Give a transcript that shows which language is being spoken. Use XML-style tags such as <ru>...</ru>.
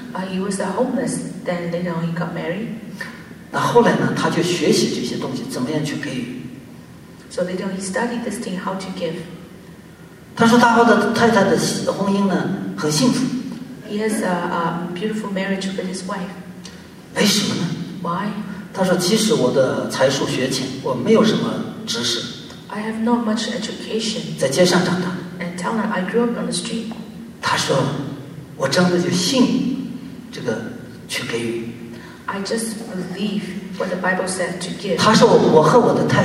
<en>He was a homeless, then later on he got married.</en> <zh>那后来呢，他就学习这些东西，怎么样去给予。So</zh> <en>later on he studied this thing, how to give.</en> <zh>他说他和他太太的婚姻呢，很幸福。He</zh> <en>has a beautiful marriage with his wife.</en> <zh>为什么呢？</zh> <en>Why?</en> <zh>他说：“即使我的才疏学浅，我没有什么知识。”</zh> <en>I have not much education.</en> <zh>在街上长大。</zh> <en>And tell her I grew up on the street.</en> <zh>他说：“我真的就信这个去给予。”</zh> <en>I just believe what the Bible said to give.</en>